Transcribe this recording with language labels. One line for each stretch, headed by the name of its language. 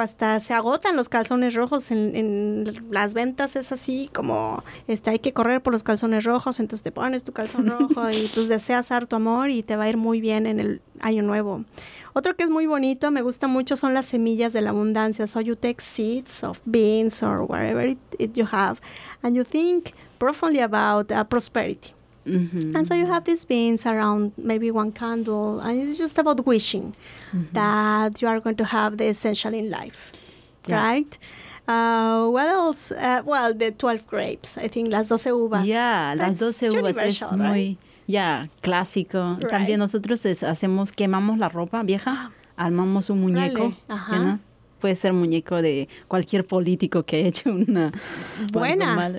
Spanish: Hasta se agotan los calzones rojos en las ventas. Es así como hay que correr por los calzones rojos. Entonces te pones tu calzón rojo y tus deseas harto amor y te va a ir muy bien en el año nuevo. Otro que es muy bonito, me gusta mucho, son las semillas de la abundancia.
English: So you take seeds of beans or whatever it you have, and you think profoundly about prosperity. Mm-hmm. And so you have these beans around maybe one candle, and it's just about wishing that you are going to have the essential in life, yeah. Right? What else? Well, the 12 grapes, I think,
Spanish: las 12 uvas. Yeah, las 12 uvas es muy, right?
English: Yeah, clásico. Right.
Spanish: También nosotros quemamos la ropa vieja, armamos un muñeco,
English: really? Uh-huh.
Spanish: ¿No? Puede ser muñeco de cualquier político que haya hecho una... Buena, eso